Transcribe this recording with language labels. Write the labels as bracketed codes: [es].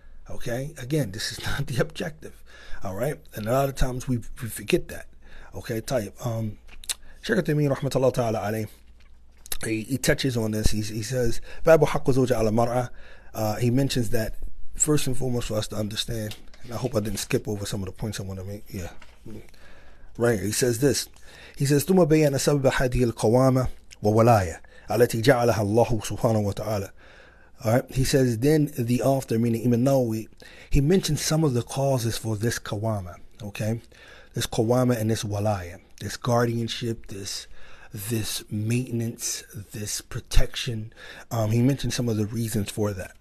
[en] Okay, again, this is not the objective. All right, and a lot of times we forget that. Okay, type. Shaykh Uthaymeen rahmatullah ta'ala alayh, he touches on this. He says, [ar] Babu haqqu zawja ala mar'a. [en] He mentions that first and foremost for us to understand And I hope I didn't skip over some of the points I want to make. Yeah. Right. He says this. He says, [ar] ثُمَّ بَيَّنَ سَبَبَ هَذِهِ الْقَوَامَةِ وَوَلَايَةِ الَّتِي جَعَلَهَا اللَّهُ سُبْحَانَهُ وَتَعَالَى. [en] All right. He says, then the after, meaning Imam Nawawi, he mentioned some of the causes for this qawama. Okay. This qawama and this walaya. This guardianship, this maintenance, this protection. He mentioned some of the reasons for that.